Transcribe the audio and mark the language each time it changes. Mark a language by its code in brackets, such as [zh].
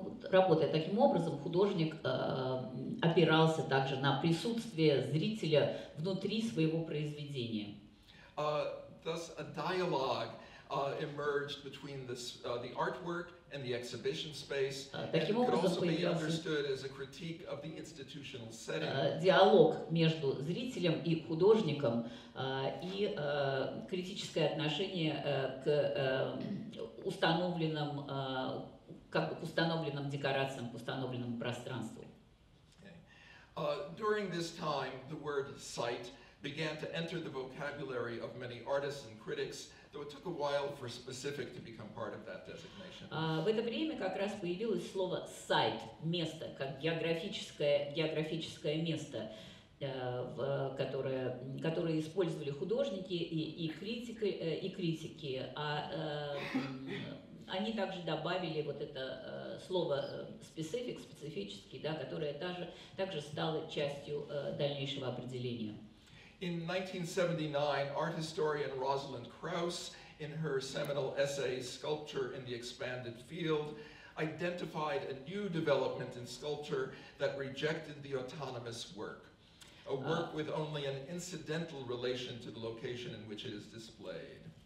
[ru] Работая таким образом, художник опирался также на присутствие зрителя внутри своего произведения. [en] Thus, a dialogue emerged between this, the artwork and the exhibition space, [ru] таким [en] and [ru] образом, [en] it could also be understood as a critique of the institutional setting. [ru] Диалог между зрителем и художником и критическое отношение к установленным как бы к установленным декорациям, к установленному пространству. [en] During this time, the word site began to enter the vocabulary of many artists and critics, though it took a while for specific to become part of that designation. [ru] В это время как раз появилось слово сайт, место, как географическое место, которое использовали художники и критики, а они также добавили вот это слово specific, специфический, да, которое также стало частью дальнейшего определения. [en] In 1979, art historian Rosalind Krauss, in her seminal essay Sculpture in the Expanded Field, identified a new development in sculpture that rejected the autonomous work, a A work with only an incidental relation to the location in which it is displayed.